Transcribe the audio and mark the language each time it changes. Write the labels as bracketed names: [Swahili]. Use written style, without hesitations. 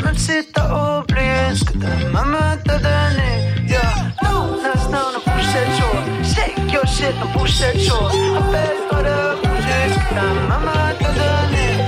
[French] Même si t'as oublié ce que ta maman t'a donné. [English] Yo, don't ask none to push that chose. Shake your shit and push that chose. [French] Appelle-toi de bouger ce que ta maman t'a donné.